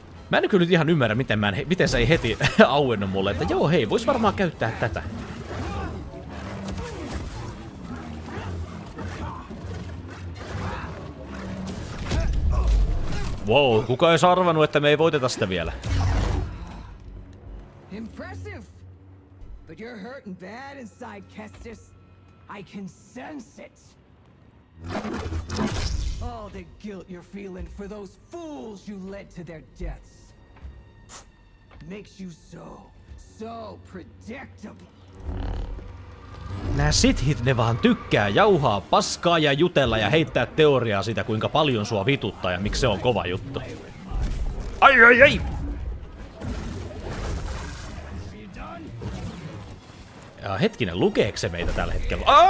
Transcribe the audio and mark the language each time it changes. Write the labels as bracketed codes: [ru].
[fi] Mä en kyllä nyt ihan ymmärrä, miten sä ei heti auennu mulle, että joo hei, vois varmaan käyttää tätä. Wow, kuka ei arvannut, että me ei voiteta sitä vielä. [en] Impressive. But you're hurting bad inside, Kestis. I can sense it. All the guilt you're feeling for those fools you led to their deaths makes you so predictable. [fi] Nää sithit ne vaan tykkää jauhaa paskaa ja jutella ja heittää teoriaa siitä, kuinka paljon sua vituttaa ja miksi se on kova juttu. Ai ai ai! Ja hetkinen, lukeeko se meitä tällä hetkellä?